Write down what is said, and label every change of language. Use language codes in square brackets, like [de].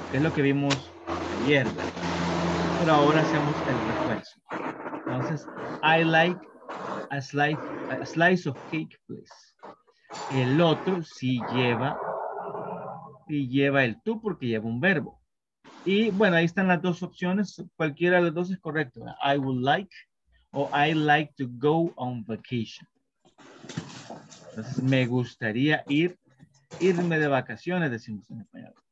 [es] Es lo que vimos ayer. Pero ahora hacemos el refuerzo. [en] Entonces, I like a slice of cake, please. [es] El otro sí lleva el tú porque lleva un verbo. Y bueno, ahí están las dos opciones. Cualquiera de las dos es correcto. [en] I would like o I like to go on vacation. [es] Entonces, me gustaría irme de vacaciones, decimos en español.